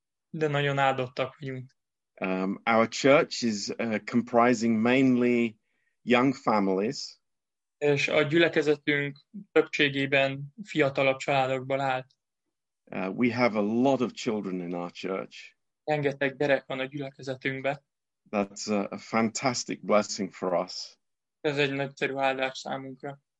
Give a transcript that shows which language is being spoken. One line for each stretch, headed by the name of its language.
Hungarian: De nagyon áldottak vagyunk.
English: Our church is comprising mainly young families.
Hungarian: És a gyülekezetünk többségében fiatalabb családokból áll.
English: We have a lot of children in our church.
Hungarian: Rengeteg gyerek van a gyülekezetünkben.
English: That's a fantastic blessing for us.
Hungarian: Ez egy nagyszerű áldás számunkra.